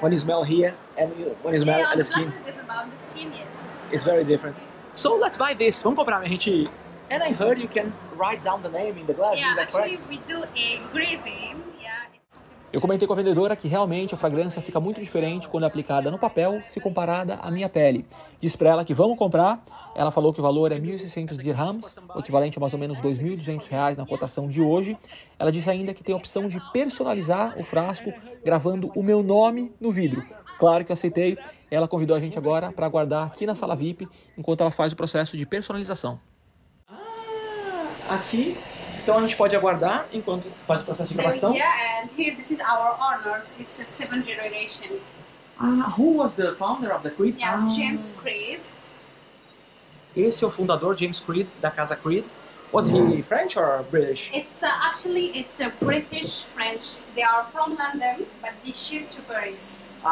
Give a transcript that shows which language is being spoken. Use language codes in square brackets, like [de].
[en] When you smell here and you, when you smell yeah, at the skin. The glass is different, but the skin, yes. It's very different. So let's buy this. [pt] Vamos comprar, minha gente. [en] And I heard you can write down the name in the glass. Yeah, is that actually correct? We do engraving. Yeah. [pt] Eu comentei com a vendedora que realmente a fragrância fica muito diferente quando é aplicada no papel se comparada à minha pele. Disse pra ela que vamos comprar. Ela falou que o valor é 1.600 dirhams, o equivalente a mais ou menos 2.200 reais na cotação de hoje. Ela disse ainda que tem a opção de personalizar o frasco gravando o meu nome no vidro. Claro que eu aceitei. Ela convidou a gente agora para aguardar aqui na sala VIP enquanto ela faz o processo de personalização. Ah, aqui. Então a gente pode aguardar enquanto faz o processo de gravação. [en] Yeah, and here this is our honors. It's a 7th generation. Ah, who was the founder of the Creed? Yeah, James Creed. [pt] Esse é o fundador, James Creed, da casa Creed. [en] Was he French or British? It's actually, it's a British French. They are from London, but they shipped to Paris.